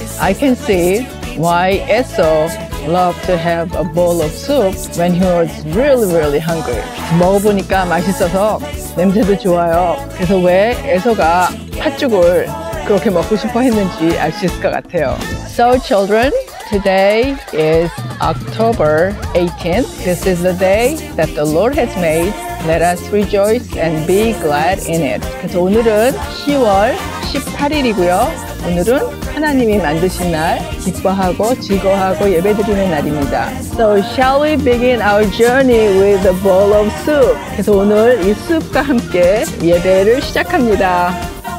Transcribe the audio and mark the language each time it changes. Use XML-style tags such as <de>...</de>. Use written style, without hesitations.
<en>I can see why Esau loved to have a bowl of soup when he was really, really hungry.</en> <ko>먹어보니까 맛있어서 냄새도 좋아요. 그래서 왜 에서가 팥죽을 그렇게 먹고 싶어 했는지 알 수 있을 것 같아요.</ko> <en>So children, today is October 18th. This is the day that the Lord has made. Let us rejoice and be glad in it.</en> <ko>그래서 오늘은 10월 18일이고요. 오늘은 하나님이 만드신 날, 기뻐하고 즐거워하고 예배드리는 날입니다.</ko> <en>So shall we begin our journey with a bowl of soup?</en> <ko>그래서 오늘 이 수프와 함께 예배를 시작합니다.</ko>